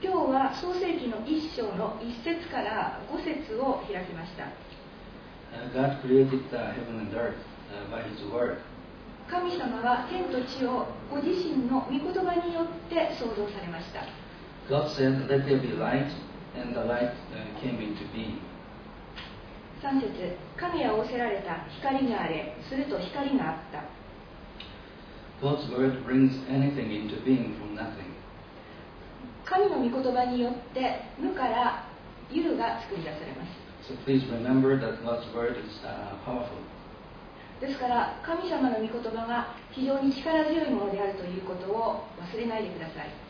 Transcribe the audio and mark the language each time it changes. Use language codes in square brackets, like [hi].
[ja] 今日は創世記の1章の1節から5節を開きました。 [en] God created the heaven and earth by His word. [ja] 神様は天と地をご自身の御言葉によって創造されました。 [en] God said, "Let there be light," and the light came into being. [ja] 3節、神は仰せられた、光があれ、すると光があった。 [en] God's word brings anything into being from nothing. [ja] 神の御言葉によって、無から有が作り出されます。 [en] So please remember that God's word is powerful. [ja] ですから、神様の御言葉が非常に力強いものであるということを忘れないでください。